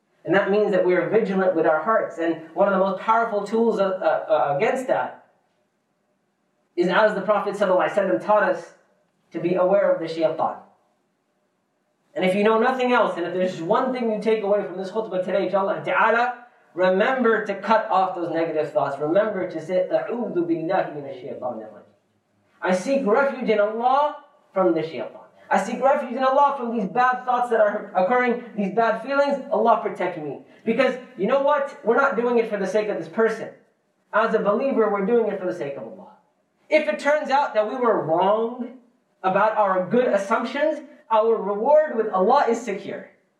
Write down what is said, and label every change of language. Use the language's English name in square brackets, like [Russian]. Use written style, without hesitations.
[English] And that means that we are vigilant with our hearts. And one of the most powerful tools against that is, as the Prophet ﷺ taught us, to be aware of the shaytan. And if you know nothing else, and if there's one thing you take away from this khutbah today, inshallah ta'ala, remember to cut off those negative thoughts. Remember to say, [Arabic] أَعُوذُ بِاللَّهِ مِنَ الشَّيْطَانِ الرَّجِيمِ. [English] I seek refuge in Allah from the shaytan. I seek refuge in Allah from these bad thoughts that are occurring, these bad feelings. Allah protect me. Because you know what? We're not doing it for the sake of this person. As a believer, we're doing it for the sake of Allah. If it turns out that we were wrong about our good assumptions, our reward with Allah is secure.